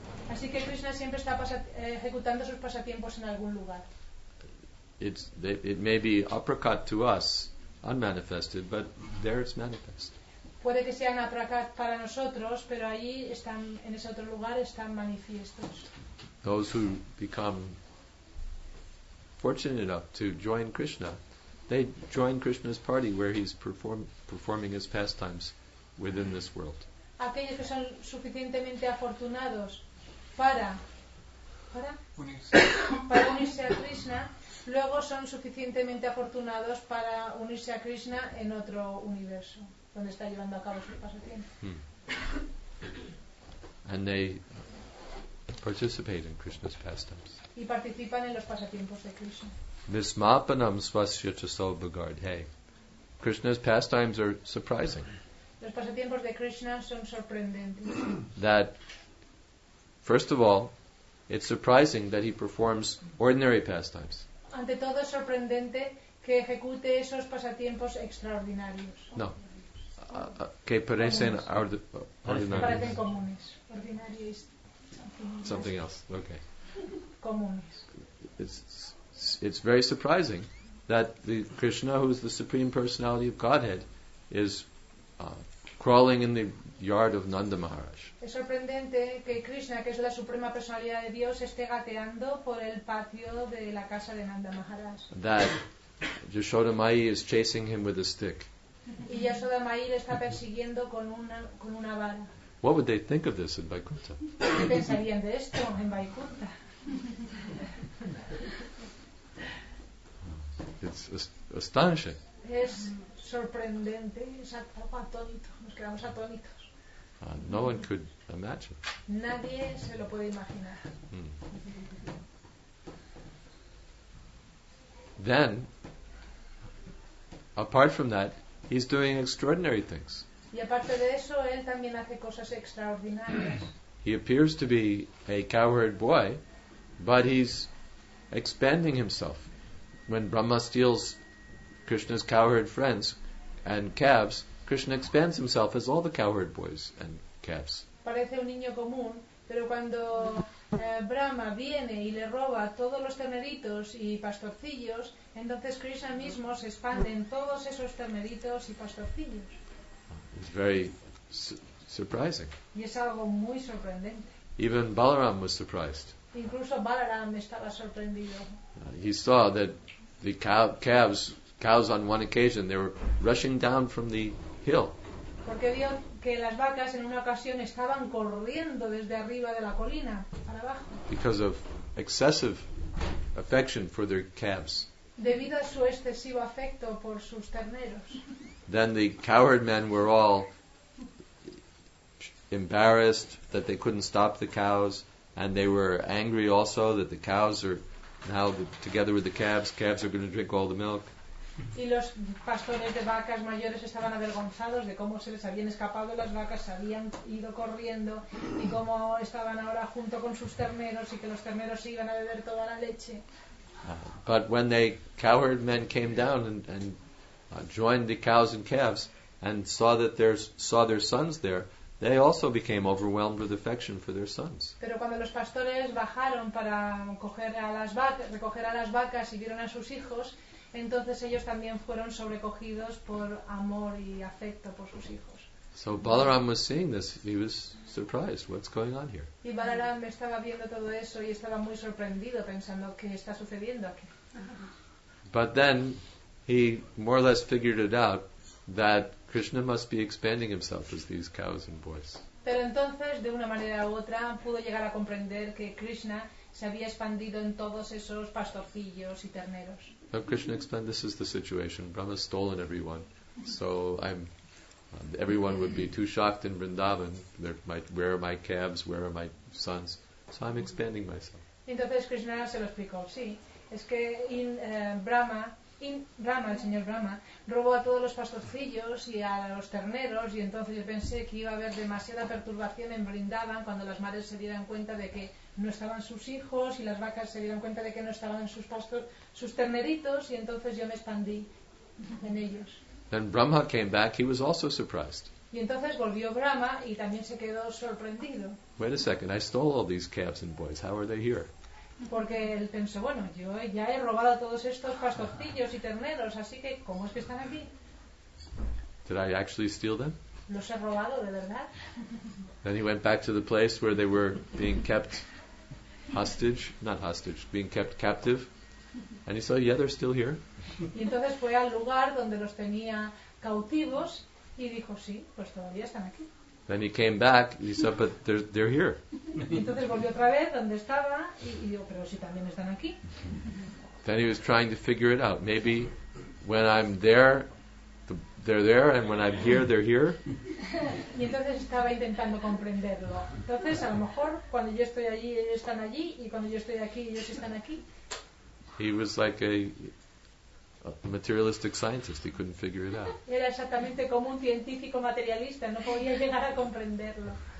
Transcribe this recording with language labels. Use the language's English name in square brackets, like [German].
[Spanish] Así que Krishna siempre está ejecutando sus pasatiempos en algún lugar. [English] It may be uppercut to us, unmanifested, but there it's manifest. [Spanish] Puede que sea un uppercut para nosotros, pero allí están, en ese otro lugar están manifiestos. [English] Those who become fortunate enough to join Krishna, they join Krishna's party where he's performing his pastimes within this world. [Spanish] Aquellos que son suficientemente afortunados para unirse a Krishna, luego son suficientemente afortunados para unirse a Krishna en otro universo donde está llevando a cabo su pasatiempo. [English] And they participate in Krishna's pastimes. [Spanish] Y participan en los pasatiempos de Krishna. [Sanskrit] Nismapanam svasya chaso bhagard. [English] Hey, Krishna's pastimes are surprising. [Spanish] Los pasatiempos de Krishna son sorprendentes. [English] That, first of all, it's surprising that he performs ordinary pastimes. [Spanish] Ante todo, es sorprendente que ejecute esos pasatiempos extraordinarios. No. Que parecen ordinarios. Parecen comunes. Ordinarios. [English] Something else. Okay. [Spanish] Comunes. [English] It's very surprising that the Krishna, who is the Supreme Personality of Godhead, is crawling in the yard of Nanda Maharaj. [Spanish] Es sorprendente que Krishna, que es la suprema personalidad de Dios, esté gateando por el patio de la casa de Nanda Maharaj. [English] That Yashoda Mai is chasing him with a stick. [Spanish] Y Yashoda Mai le está persiguiendo con una vara. [English] What would they think of this in Vaikuntha? [Spanish] ¿Qué pensarían de esto en Vaikuntha? [English] It's astonishing. [Spanish] Es sorprendente, es atónito. Nos quedamos atónitos. [English] No one could imagine. [Spanish] Nadie se lo puede imaginar. [English] Then, apart from that, he's doing extraordinary things. [Spanish] Y aparte de eso, él también hace cosas extraordinarias. [English] He appears to be a cowherd boy, but he's expanding himself. When Brahma steals Krishna's cowherd friends and calves, Krishna expands himself as all the cowherd boys and calves. [Spanish] Parece un niño común, pero cuando Brahma viene y le roba todos los terneritos y pastorcillos, entonces Krishna mismo se expande en todos esos terneritos y pastorcillos. [English] It's very surprising. [Spanish] Y es algo muy sorprendente. [English] Even Balaram was surprised. [Spanish] Incluso Balaram estaba sorprendido. [English] He saw that the cows on one occasion, they were rushing down from the hill. [Spanish] Porque vio que las vacas en una ocasión estaban corriendo desde arriba de la colina para abajo. [English] Because of excessive affection for their calves. [Spanish] Debido a su excesivo afecto por sus terneros. [English] Then the cowherd men were all embarrassed that they couldn't stop the cows, and they were angry also that the cows are now together with the calves are going to drink all the milk. [Spanish] Y los pastores de vacas mayores estaban avergonzados de cómo se les habían escapado las vacas, se habían ido corriendo, y cómo estaban ahora junto con sus terneros, y que los terneros se iban a beber toda la leche. [English] But when the cowherd men came down and joined the cows and calves and saw their sons there, they also became overwhelmed with affection for their sons. [Spanish] Pero cuando los pastores bajaron para recoger a las vacas y vieron a sus hijos, entonces ellos también fueron sobrecogidos por amor y afecto por sus hijos. [English] So Balaram was seeing this. He was surprised. What's going on here? [Spanish] Y Balaram estaba viendo todo eso y estaba muy sorprendido, pensando qué está sucediendo aquí. [English] But then he more or less figured it out that Krishna must be expanding himself as these cows and boys. [Spanish] Pero entonces, de una manera u otra, pudo llegar a comprender que Krishna se había expandido en todos esos pastorcillos y terneros. [English] So Krishna explained, this is the situation. Brahma's stolen everyone. So everyone would be too shocked in Vrindavan. Where are my calves? Where are my sons? So I'm expanding myself. [Spanish] Entonces Krishna se lo explicó. Sí, es que Brahma Y Brahma, el señor Brahma, robó a todos los pastorcillos y a los terneros, y entonces yo pensé que iba a haber demasiada perturbación en Vrindavan cuando las madres se dieran cuenta de que no estaban sus hijos y las vacas se dieran cuenta de que no estaban sus sus terneritos, y entonces yo me expandí en ellos. [English] Then Brahma came back, he was also surprised. [Spanish] Y entonces volvió Brahma y también se quedó sorprendido. [English] Wait a second, I stole all these calves and boys, how are they here? [Spanish] Porque él pensó, bueno, yo ya he robado a todos estos pastorcillos y terneros, así que, ¿cómo es que están aquí? [English] Did I actually steal them? [Spanish] ¿Los he robado, de verdad? [English] Then he went back to the place where they were being kept hostage, not hostage, being kept captive, and he saw, yeah, they're still here. [Spanish] Y entonces fue al lugar donde los tenía cautivos y dijo, sí, pues todavía están aquí. [English] Then he came back, he said, but they're here. [Spanish] Entonces volvió otra vez donde estaba y dijo, pero si también están aquí. [English] Then he was trying to figure it out. Maybe when I'm there, they're there, and when I'm here, they're here. [Spanish] Y entonces estaba intentando comprenderlo. Entonces, a lo mejor, cuando yo estoy allí, ellos están allí, y cuando yo estoy aquí, ellos están aquí. [English] He was like a materialistic scientist, he couldn't figure it out. [Spanish] Era exactamente como un científico materialista, no podía llegar a comprenderlo.